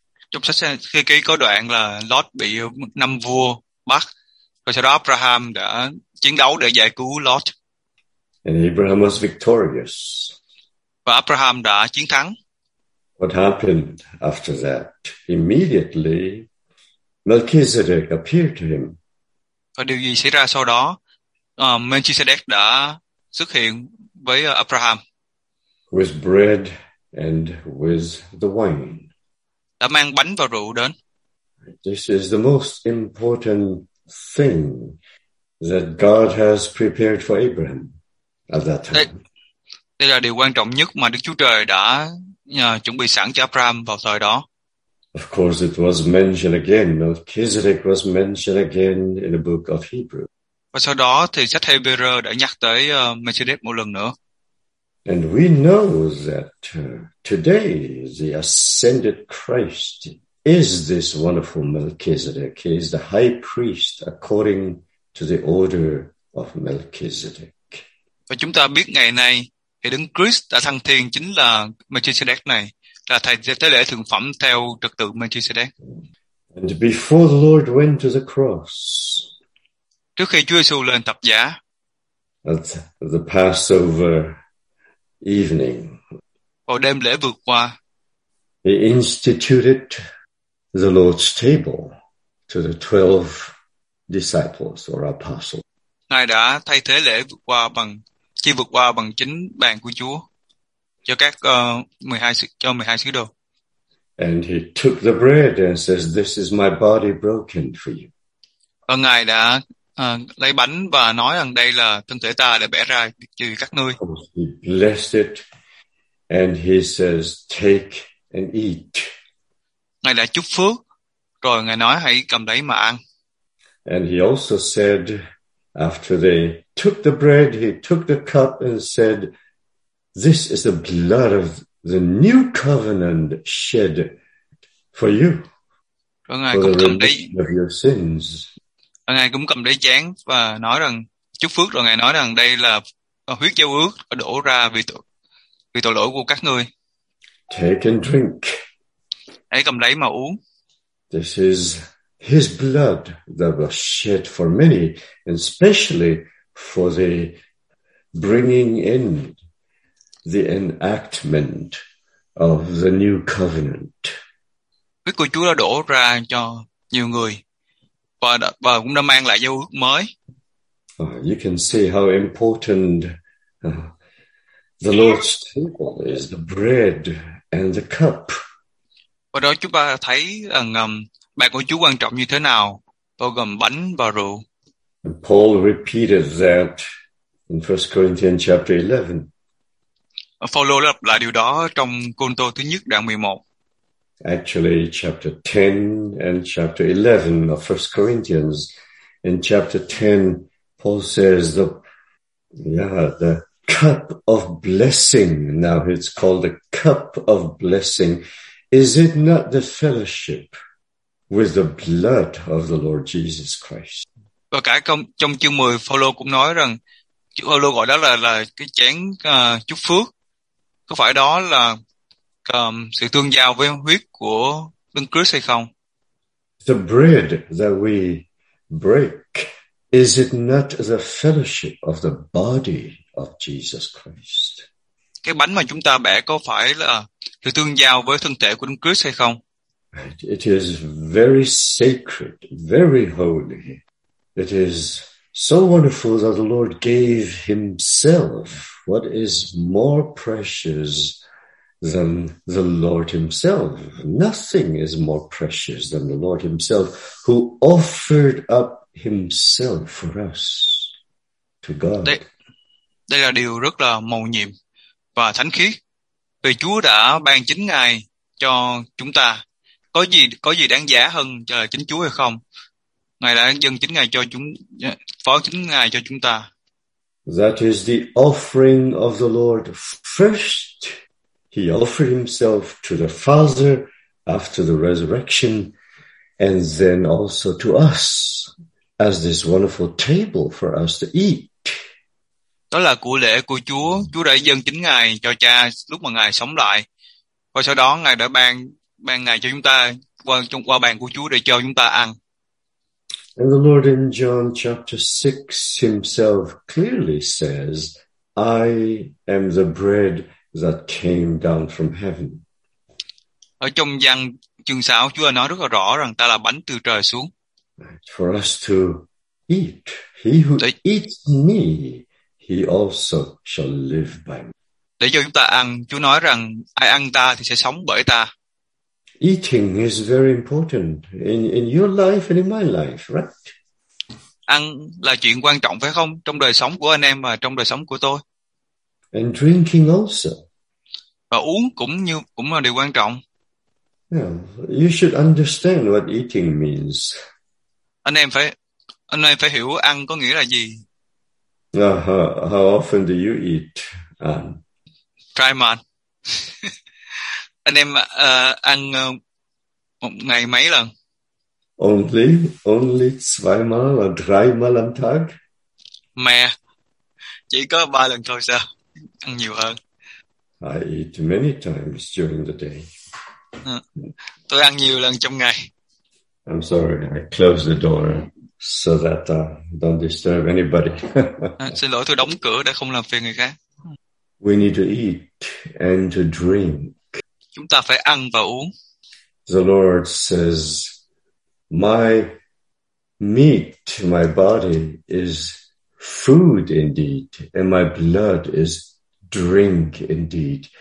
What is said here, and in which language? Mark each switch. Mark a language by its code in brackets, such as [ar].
[vi] Trong sách Thi Ký có đoạn là Lot bị năm vua bắt, rồi sau đó Abraham đã chiến đấu để giải cứu Lot. [en] And Abraham was victorious. [vi] Và Abraham đã chiến thắng. [en] What happened after that? Immediately, Melchizedek appeared to him. [vi] Và điều gì xảy ra sau đó? Melchizedek đã xuất hiện với Abraham. [en] With bread and with the wine. [vi] Đã mang bánh và rượu đến. [en] This is the most important thing that God has prepared for Abraham at that [vi] Đây [en] time. [vi] là điều quan trọng nhất mà Đức Chúa Trời đã chuẩn bị sẵn cho Abraham vào thời đó. [en] Of course, it was mentioned again. Melchizedek was mentioned again in the book of Hebrew. [vi] Và sau đó thì sách Hebrew đã nhắc tới Mercedes một lần nữa. [en] And we know that today the ascended Christ is this wonderful Melchizedek. He is the high priest according to the order of Melchizedek. [vi] Và chúng ta biết ngày nay thì Đấng Christ đã thăng thiên chính là Melchizedek này, là thầy tế lễ thượng phẩm theo trật tự Melchizedek. [en] And before the Lord went to the cross, [vi] Trước khi Chúa Giêsu lên thập giá, [en] at the Passover evening, [vi] vào đêm lễ vượt qua, [en] he instituted the Lord's table to the 12 disciples or apostles. [vi] Ngài đã thay thế lễ vượt qua bằng chi vượt qua bằng chính bàn của Chúa cho các 12 cho 12 sứ đồ. [en] And he took the bread and says, "This is my body broken for you." [vi] Và Ngài đã lấy bánh và nói rằng đây là thân thể ta để bẻ ra vì các ngươi. [en] He blessed it and he says, "Take and eat." [vi] Ngài đã chúc phước rồi Ngài nói hãy cầm lấy mà ăn. [en] And he also said, after they took the bread, he took the cup and said, "This is the blood of the new covenant shed for you, [vi] Và Ngài [en] for [vi] cũng [en] the [vi] cầm [en] remission of your sins." [vi] lấy chén và nói rằng chúc phước, rồi Ngài nói rằng đây là huyết giao ước đổ ra vì tội lỗi của các ngươi. [en] Take and drink. [vi] Hãy cầm lấy mà uống. [en] This is His blood that was shed for many, especially for the bringing in the enactment of the new covenant. [vi] Huyết của Chúa đã đổ ra cho nhiều người và cũng đã mang lại giao ước mới. [en] You can see how important the Lord's table is, the bread and the cup. [vi] Và đó chúng ta thấy rằng bàn của Chúa quan trọng như thế nào, bao gồm bánh và rượu. [en] And Paul repeated that in 1 Corinthians chapter 11. [vi] Phaolô lặp lại điều đó trong Côrintô thứ nhất đoạn 11. [en] Actually, chapter 10 and chapter 11 of 1 Corinthians. In chapter 10, Paul says the cup of blessing. Now it's called the cup of blessing. Is it not the fellowship with the blood of the Lord Jesus Christ? [vi] Và cả trong chương 10, Phaolô cũng nói rằng Phaolô gọi đó là cái chén chúc phước. Có phải đó là sự tương giao với huyết của Đấng Christ hay không? [en] The bread that we break, is it not the fellowship of the body of Jesus Christ? [vi] Cái bánh mà chúng ta bẻ có phải là sự tương giao với thân thể của Đấng Christ hay không? [en] It is very sacred, very holy. It is so wonderful that the Lord gave himself. What is more precious than the Lord himself? Nothing is more precious than the Lord himself, who offered up himself for us to God. [vi] Đây là điều rất là mầu nhiệm và thánh khiết. Vì Chúa đã ban chính Ngài cho chúng ta. Có gì đáng giá hơn chính Chúa hay không? Ngài đã dâng chính Ngài phó chính Ngài cho chúng ta. [en] That is the offering of the Lord. First, he offered himself to the Father after the resurrection, and then also to us as this wonderful table for us to eat. [vi] Đó là của lễ của Chúa. Chúa đã dâng chính Ngài cho Cha lúc mà Ngài sống lại. Và sau đó Ngài đã ban Ngài cho chúng ta qua bàn của Chúa để cho chúng ta ăn. [en] And the Lord in John chapter 6 himself clearly says, I am the bread that came down from heaven. [vi] Ở trong Giăng chương 6, Chúa nói rất là rõ rằng ta là bánh từ trời xuống. [en] For us to eat, he who eats me, he also shall live by me. [vi] Để cho chúng ta ăn, Chúa nói rằng ai ăn ta thì sẽ sống bởi ta. [en] Eating is very important in your life and in my life, right? [vi] Ăn là chuyện quan trọng phải không trong đời sống của anh em và trong đời sống của tôi? [en] And drinking also. [vi] Và uống cũng là điều quan trọng. [en] Yeah, you should understand what eating means. [vi] Anh em phải hiểu ăn có nghĩa là gì. [en] How often do you eat? Try man. [vi] Anh em ăn một ngày mấy lần? [en] Only [de] zweimal [en] or [de] dreimal am Tag? [vi] Mẹ, chỉ có 3 lần thôi sao? Ăn nhiều hơn. [en] I eat many times during the day. [vi] Tôi ăn nhiều lần trong ngày. [en] I'm sorry, I closed the door so that don't disturb anybody. [vi] Xin lỗi, tôi đóng cửa để không làm phiền người khác. [en] We need to eat and to drink. [vi] Chúng ta phải ăn và uống. [en] The Lord says, my meat, my body is food indeed, and my blood is drink indeed.